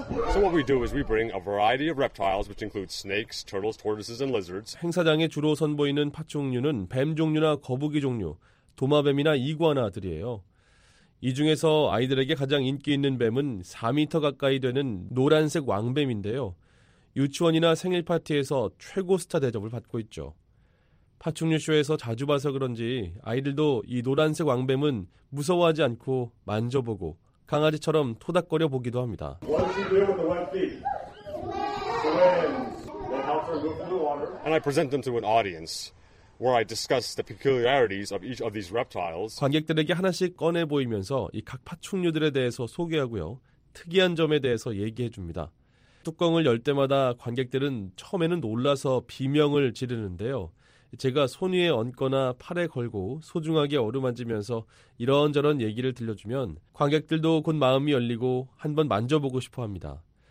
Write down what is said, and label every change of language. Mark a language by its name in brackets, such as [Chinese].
[English] So what we do is we bring a variety of reptiles, which include snakes, turtles, tortoises, and lizards. [Korean] 행사장에 주로 선보이는 파충류는 뱀 종류나 거북이 종류, 도마뱀이나 이구아나들이에요. 이 중에서 아이들에게 가장 인기 있는 뱀은 4m 가까이 되는 노란색 왕뱀인데요. 유치원이나 생일 파티에서 최고 스타 대접을 받고 있죠. 파충류 쇼에서 자주 봐서 그런지 아이들도 이 노란색 왕뱀은 무서워하지 않고 만져보고 강아지처럼 토닥거려 보기도 합니다. [English] And I present them to an audience where I discuss the peculiarities of each of these reptiles. [Korean] 관객들에게 하나씩 꺼내 보이면서 이 각 파충류들에 대해서 소개하고요. 특이한 점에 대해서 얘기해 줍니다. 뚜껑을 열 때마다 관객들은 처음에는 놀라서 비명을 지르는데요. 제가 손 위에 얹거나 팔에 걸고 소중하게 어루만지면서 이런저런 얘기를 들려주면 관객들도 곧 마음이 열리고 한번 만져보고 싶어 합니다.